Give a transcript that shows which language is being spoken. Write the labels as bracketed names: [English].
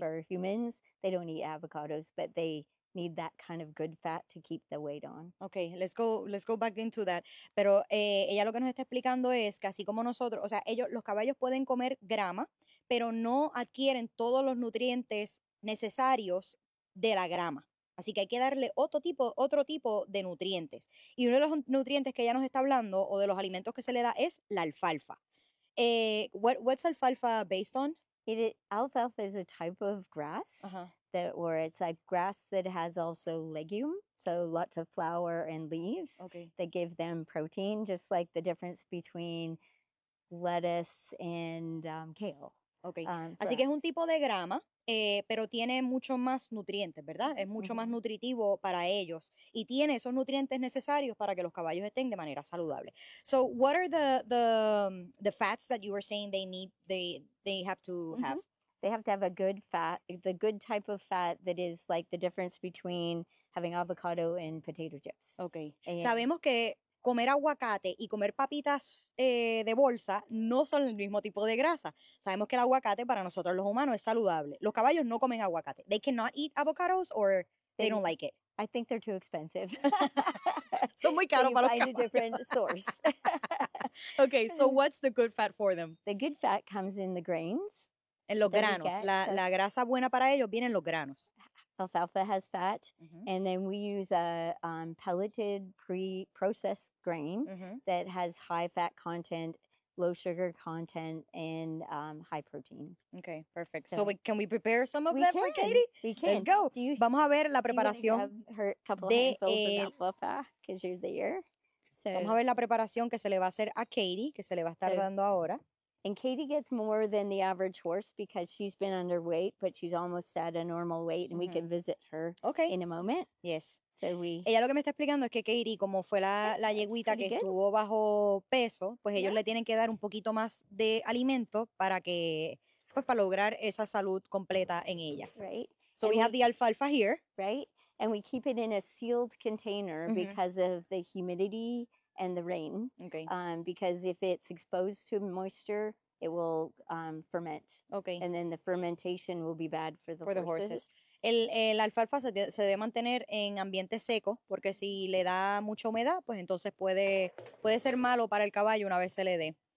[English] For humans, they don't eat avocados, but they need that kind of good fat to keep the weight on. Okay, let's go back into that. [Spanish] Pero ella lo que nos está explicando es que así como nosotros, o sea, los caballos pueden comer grama, pero no adquieren todos los nutrientes necesarios de la grama. Así que hay que darle otro tipo de nutrientes. Y uno de los nutrientes que ella nos está hablando, o de los alimentos que se le da, es la alfalfa. [English] What's alfalfa based on? Alfalfa is a type of grass, where it's like grass that has also legume, so lots of flower and leaves that give them protein, just like the difference between lettuce and kale. [Spanish] Okay. Así que es un tipo de grama. Pero tiene mucho más nutrientes, ¿verdad? Es mucho más nutritivo para ellos y tiene esos nutrientes necesarios para que los caballos estén de manera saludable. [English] So, what are the fats that you were saying they need? They have to have. They have to have a good fat, the good type of fat that is like the difference between having avocado and potato chips. Okay. [Spanish] Sabemos que comer aguacate y comer papitas de bolsa no son el mismo tipo de grasa. Sabemos que el aguacate para nosotros los humanos es saludable. Los caballos no comen aguacate. [English] They cannot eat avocados or they don't like it. I think they're too expensive. [Spanish] Son muy caros para los caballos. [English] Find a different source. Okay, so what's the good fat for them? The good fat comes in the grains. [Spanish] En los granos. La grasa buena para ellos viene en los granos. [English] Alfalfa has fat, and then we use a pelleted pre-processed grain that has high fat content, low sugar content, and high protein. Okay, perfect. So can we prepare some of that can. For Katie? We can. Let's go. [Spanish] Vamos a ver la preparación. [English] You're there. [Spanish] Vamos a ver la preparación que se le va a hacer a Katie, que se le va a estar dando ahora. [English] And Katie gets more than the average horse because she's been underweight, but she's almost at a normal weight, and mm-hmm. we can visit her okay. in a moment. Yes. So we... [Spanish] Ella lo que me está explicando es que Katie, como fue la yeguita que good. Estuvo bajo peso, pues ellos yeah. le tienen que dar un poquito más de alimento para que, pues para lograr esa salud completa en ella. [English] Right. So we have the alfalfa here. Right. And we keep it in a sealed container mm-hmm. because of the humidity and the rain. Okay. Because if it's exposed to moisture, it will ferment. Okay. And then the fermentation will be bad for the horses. [Spanish] El alfalfa se debe mantener en ambiente seco, porque si le da mucha humedad, pues entonces puede ser malo para el caballo una vez se le dé.